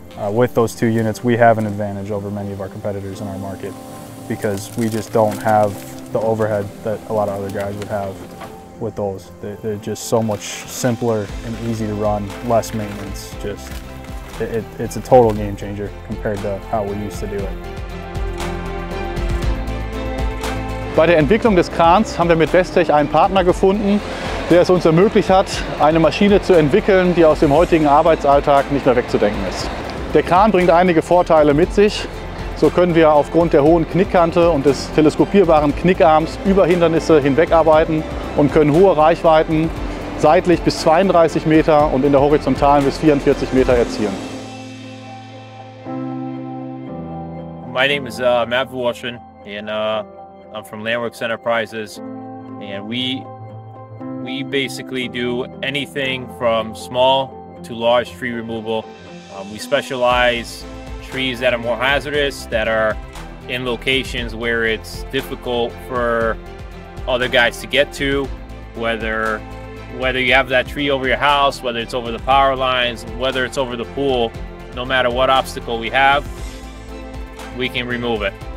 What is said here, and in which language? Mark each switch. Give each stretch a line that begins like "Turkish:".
English: With those two units, we have an advantage over many of our competitors in our market because we just don't have the overhead that a lot of other guys would have with those. They're just so much simpler and easy to run, less maintenance, just. It's a total game changer compared to how we used to do it.
German: Bei der Entwicklung des Krans haben wir mit Westech einen Partner gefunden, der es uns ermöglicht hat, eine Maschine zu entwickeln, die aus dem heutigen Arbeitsalltag nicht mehr wegzudenken ist. Der Kran bringt einige Vorteile mit sich. So können wir aufgrund der hohen Knickkante und des teleskopierbaren Knickarms über Hindernisse hinwegarbeiten und können hohe Reichweiten seitlich bis 32 Meter und in der Horizontalen bis 44 Meter erzielen.
English: My name is Matt Vuolshin and I'm from Landworks Enterprises, and we basically do anything from small to large tree removal. We specialize trees that are more hazardous, that are in locations where it's difficult for other guys to get to, whether you have that tree over your house, whether it's over the power lines, whether it's over the pool, no matter what obstacle we have, we can remove it.